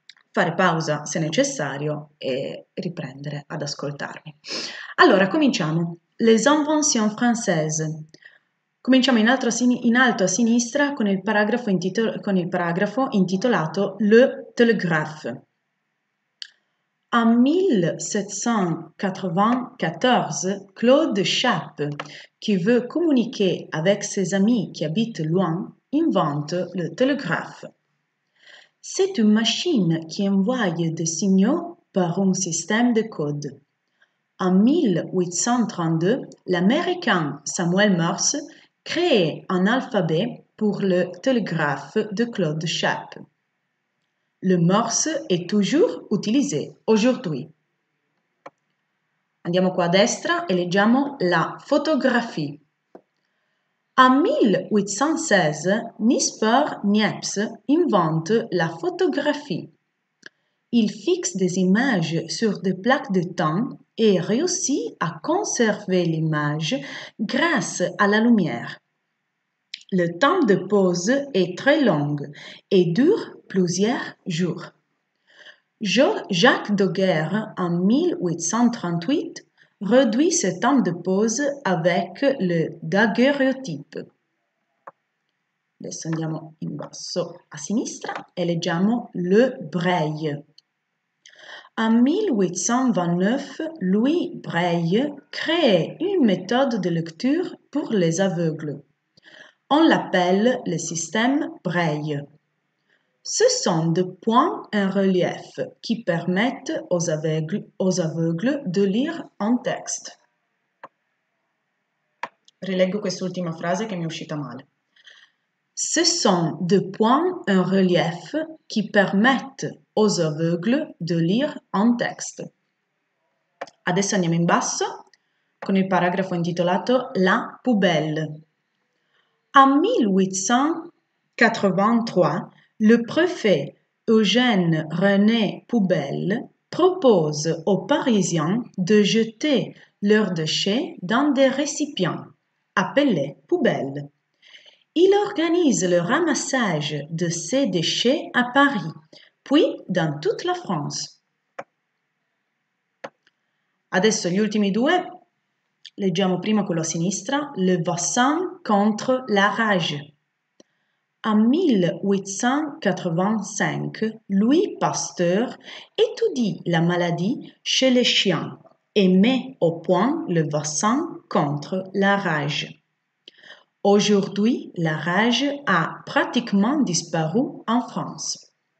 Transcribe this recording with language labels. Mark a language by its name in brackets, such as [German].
[Italian] Fare pausa se necessario e riprendere ad ascoltarmi. Allora, cominciamo. Les inventions françaises. Cominciamo in alto a sinistra con il paragrafo intitolato Le Télégraphe. [French] En 1794, Claude Chappe, qui veut communiquer avec ses amis qui habitent loin, invente le télégraphe. C'est une machine qui envoie des signaux par un système de code. En 1832, l'Américain Samuel Morse crée un alphabet pour le télégraphe de Claude Chappe. Le Morse est toujours utilisé aujourd'hui. [Italian] Andiamo qua a destra e leggiamo la fotografia. [French] En 1816, Niespoor Niepce invente la photographie. Il fixe des images sur des plaques de temps et réussit à conserver l'image grâce à la lumière. Le temps de pose est très long et dure plusieurs jours. Jacques Daguerre, en 1838, réduit ce temps de pose avec le daguerréotype. [Italian] Adesso andiamo in basso a sinistra e leggiamo Le Breuil. [French] En 1829, Louis Breuil crée une méthode de lecture pour les aveugles. On l'appelle le système Breuil. Ce sont des points en relief qui permettent aux aveugles de lire un texte. [Italian] Rileggo quest'ultima frase che mi è uscita male. [French] Ce sont des points en relief qui permettent aux aveugles de lire un texte. [Italian] Adesso andiamo in basso con il paragrafo intitolato La poubelle. [French] En 1883, le préfet Eugène René Poubelle propose aux Parisiens de jeter leurs déchets dans des récipients appelés poubelles. Il organise le ramassage de ces déchets à Paris, puis dans toute la France. [Italian] Adesso gli ultimi due. Leggiamo prima quello a sinistra, Le Vaccin contre la rage. [French] En 1885, Louis Pasteur étudie la maladie chez les chiens et met au point le vaccin contre la rage. Aujourd'hui, la rage a pratiquement disparu en France.